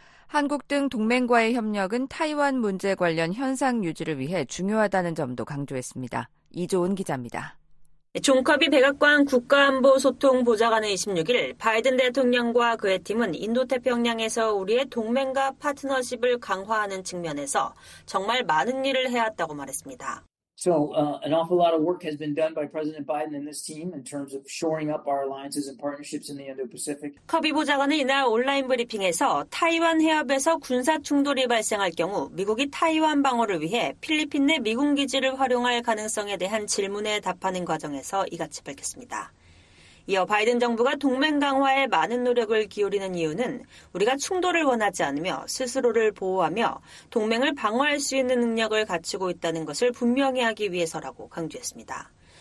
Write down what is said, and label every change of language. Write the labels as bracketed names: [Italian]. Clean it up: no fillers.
[Korean] 한국 등 동맹과의 협력은 타이완 문제 관련 현상 유지를 위해 중요하다는 점도 강조했습니다. 이조은 기자입니다. 존 커비 백악관 국가안보소통보좌관은 26일 바이든 대통령과 그의 팀은 인도태평양에서 우리의 동맹과 파트너십을 강화하는 측면에서 정말 많은 일을 해왔다고 말했습니다. [English] So, an awful lot of work has been done by President Biden and his team in terms of shoring up our alliances and partnerships in the Indo-Pacific. [Korean] 커비 보좌관은 이날 온라인 브리핑에서 타이완 해협에서 군사 충돌이 발생할 경우 미국이 타이완 방어를 위해 필리핀 내 미군 기지를 활용할 가능성에 대한 질문에 답하는 과정에서 이같이 밝혔습니다. 이어 바이든 정부가 동맹 강화에 많은 노력을 기울이는 이유는 우리가 충돌을 원하지 않으며 스스로를 보호하며 동맹을 방어할 수 있는 능력을 갖추고 있다는 것을 분명히 하기 위해서라고 강조했습니다.